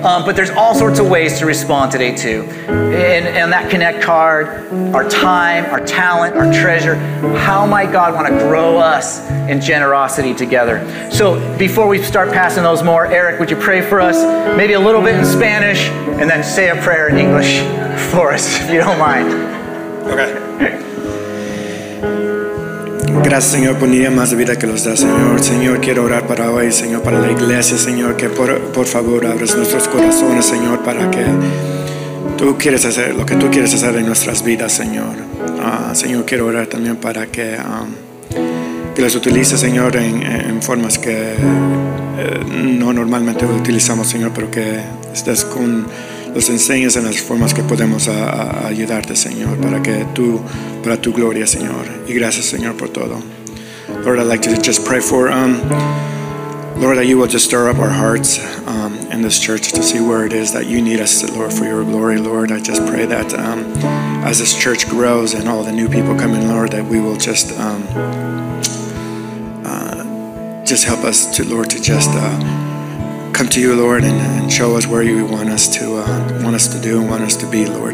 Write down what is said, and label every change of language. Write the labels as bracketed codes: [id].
[en] But there's all sorts of ways to respond today too. And that Connect card, our time, our talent, our treasure, how might God want to grow us in generosity together? So before we start passing those more, Eric, would you pray for us? Maybe a little bit in Spanish, and then say a prayer in English for us, if you don't mind. Okay. [es] Gracias, Señor, por un día más de vida que nos da, Señor. Señor, quiero orar para hoy, Señor, para la iglesia, Señor, que por favor abras nuestros corazones, Señor, para que tú quieres hacer lo que tú quieres hacer en nuestras vidas, Señor. Señor, quiero orar también para que los utilices, Señor, en formas que no normalmente utilizamos, Señor, pero que estés con los enseñes en las formas que podemos a ayudarte, Señor, para que tú, para tu gloria, Señor. Y gracias, Señor, por todo. [en] Lord, I'd like to just pray for, Lord, that you will just stir up our hearts in this church to see where it is that you need us, Lord, for your glory. Lord, I just pray that as this church grows and all the new people come in, Lord, that we will just help us to, Lord, to just come to you, Lord, and show us where you want us to do and want us to be, Lord.